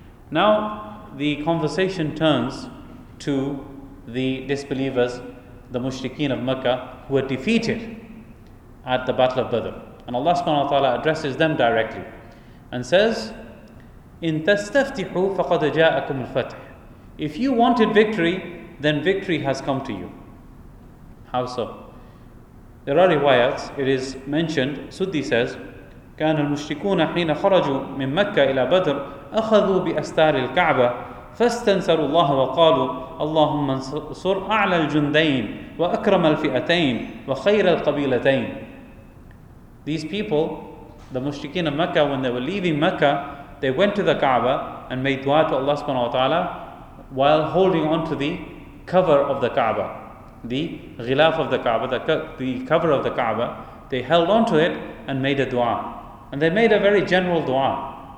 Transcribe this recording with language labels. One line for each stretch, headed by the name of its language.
English: Now the conversation turns to the disbelievers, the mushrikeen of Mecca, who were defeated at the Battle of Badr. And Allah subhanahu wa ta'ala addresses them directly and says,
Arabic: "In tastaftihu faqad ja'akum al-fath."
English: If you wanted victory, then victory has come to you. How so? There are riwayats, it is mentioned, Suddi says,
Arabic: كَانَ الْمُشْرِكُونَ حِينَ خَرَجُوا مِنْ مَكَّةِ إِلَى بَدْرِ أَخَذُوا بِأَسْتَارِ الْكَعْبَةِ فَاسْتَنْسَرُوا اللَّهَ وَقَالُوا اللَّهُمَّ انصُرْ أَعْلَى الْجُنْدَيْنِ وَأَكْرَمَ الْفِئَتَيْنِ وَخَيْرَ الْقَبِيلَتَيْنِ.
English: These people, the mushrikeen of Mecca, when they were leaving Mecca, they went to the Kaaba and made dua to Allah subhanahu wa ta'ala while holding on to the cover of the Kaaba, the ghilaf of the Kaaba, the cover of the Kaaba. They held on to it and made a dua. And they made a very general dua.